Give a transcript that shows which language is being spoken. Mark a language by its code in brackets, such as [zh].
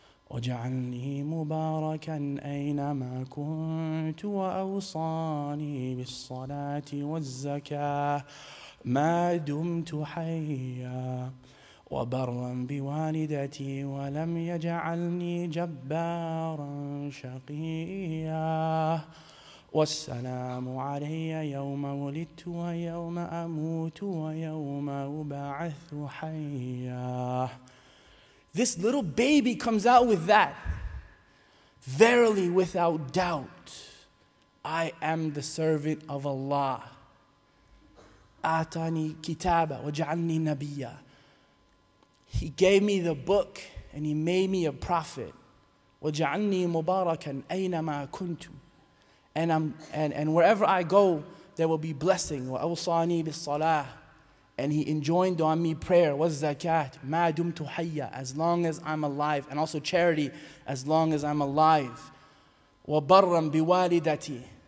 [ar] وجعلني مباركا أينما كنت وأوصاني بالصلاة والزكاة ما دمت حيا وبرا بوالدتي ولم يجعلني جبارا شقيا والسلام علي يوم ولدت ويوم أموت ويوم أبعث حيا. [en] This little baby comes out with that. Verily, without doubt, I am the servant of Allah. [ar] أعطاني كتابا وجعلني نبيا. [en] He gave me the book and he made me a prophet. [ar] وجعلني مباركا أينما كنت. [en] And wherever I go, there will be blessing. [ar] وَأَوْصَانِي بِالصَّلَاةِ. [en] And he enjoined on me prayer. [ar] وَالزَّكَاةِ. مَا دُمْتُ حَيَّا. [en] As long as I'm alive. And also charity. As long as I'm alive. [ar] وَبَرًّا بِوَالِدَتِي.